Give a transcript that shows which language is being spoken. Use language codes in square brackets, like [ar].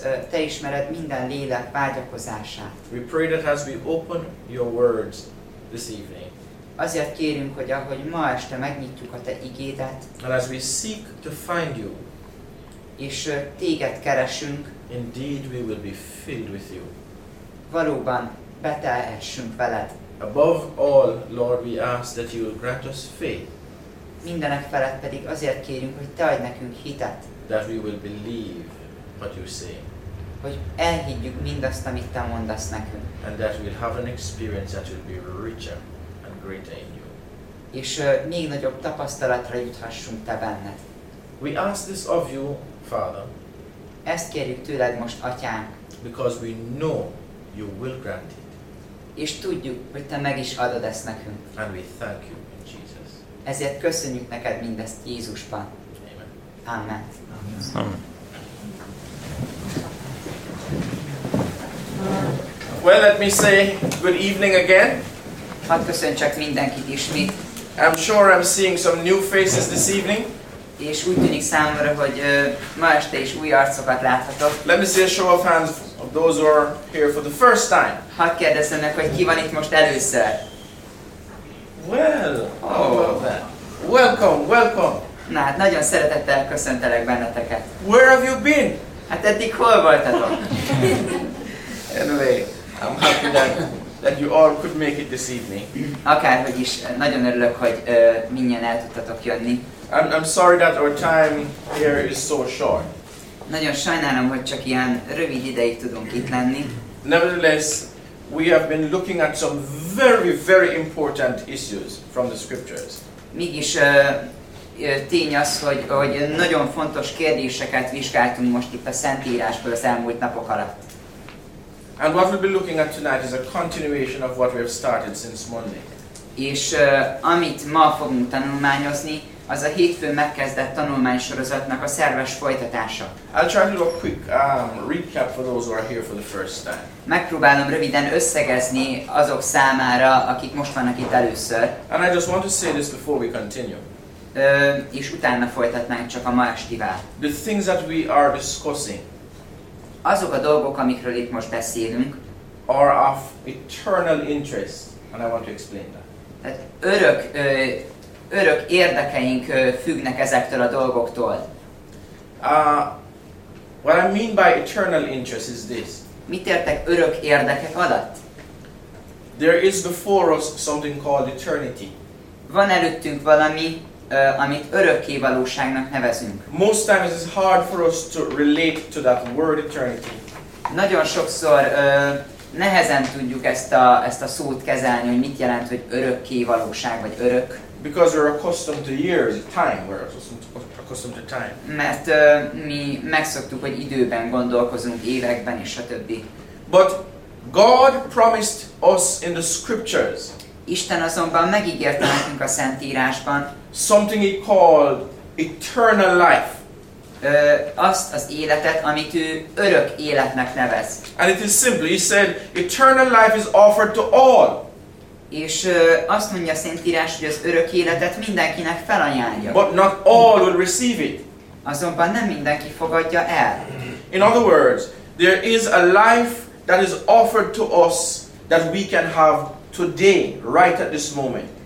[hu] Te ismered minden lélek vágyakozását. [en] We pray that as we open your words this evening. [hu] Azért kérünk, hogy ahogy ma este megnyitjuk a te igédet. [en] And as we seek to find you. [hu] És téged keresünk. [en] Indeed we will be filled with you. [hu] Valóban beteljesedjünk veled. [en] Above all, Lord, we ask that you will grant us faith. [hu] Mindenek felett pedig azért kérünk, hogy te adj nekünk hitet. [en] That we will believe what you say. [hu] Hogy elhiggyük mindazt, amit te mondasz nekünk. [en] And that we'll have an experience that will be richer and greater in you. [hu] És még nagyobb tapasztalatra juthassunk te benned. [en] We ask this of you, Father. [hu] Ezt kérjük tőled most, atyánk. [en] Because we know you will grant it. [hu] És tudjuk, hogy te meg is adod ezt nekünk. [en] And we thank you in Jesus. [hu] Ezért köszönjük neked mindezt Jézusban. [en] Amen. Amen. Amen. Well, let me say good evening again. [hu] Hadd köszöntsek mindenkit ismét. [en] I'm sure I'm seeing some new faces this evening. [hu] És úgy tűnik számomra, hogy ma este is új arcokat láthatok. [en] Let me see a show of hands of those who are here for the first time. [hu] Hadd kérdezzem meg, hogy ki van itt most először. [en] Well, how about that? Welcome. [hu] Na hát nagyon szeretettel köszöntelek benneteket. [en] Where have you been? [hu] Hát eddig hol voltatok? [en] Anyway, I'm happy that you all could make it this evening. [hu] Akárhogy is, nagyon örülök, hogy mindjárt el tudtatok jönni. [en] I'm sorry that our time here is so short. [hu] Nagyon sajnálom, hogy csak ilyen rövid ideig tudunk itt lenni. [en] Nevertheless, we have been looking at some very, very important issues from the scriptures. [hu] Mégis tény az, hogy nagyon fontos kérdéseket vizsgáltunk most itt a Szentírásból az elmúlt napok alatt. [en] And what we'll be looking at tonight is a continuation of what we have started since Monday. [hu] És amit ma fogunk tanulmányozni, az a hétfőn megkezdett tanulmánysorozatnak a szerves folytatása. [en] I'll try to do a quick recap for those who are here for the first time. [hu] Megpróbálom röviden összegezni azok számára, akik most vannak itt először. [en] And I just want to say this before we continue. [hu] És utána folytatnánk csak a ma estivel. [en] The things that we are discussing. [hu] Azok a dolgok, amikről itt most beszélünk. [en] Are of eternal interest, and I want to explain that. [hu] Tehát örök érdekeink függnek ezektől a dolgoktól. [en] What I mean by eternal interest is this. [hu] Mit értek örök érdekek alatt? [en] There is before us something called eternity. [hu] Van előttünk valami, amit örökké valóságnak nevezünk. [en] Most times it's hard for us to relate to that word eternity. [hu] Nagyon sokszor nehezen tudjuk ezt a szót kezelni, hogy mit jelent, hogy örökké valóság vagy örök. [en] Because we're accustomed to years, time. We're accustomed to time. [hu] Mert mi megszoktuk, hogy időben gondolkozunk, években és a többi. [en] But God promised us in the scriptures. [hu] Isten azonban megígérte nekünk a Szentírásban. [en] Something he called eternal life. [hu] Azt az életet, amit ő örök életnek nevez. [en] And it is simply, he said, eternal life is offered to all. [hu] És azt mondja a Szentírás, hogy az örök életet mindenkinek felajánlja. [en] But not all will receive it. [hu] Azonban nem mindenki fogadja el. [en] In other words, there is a life that is offered to us that we can have today, right at this moment.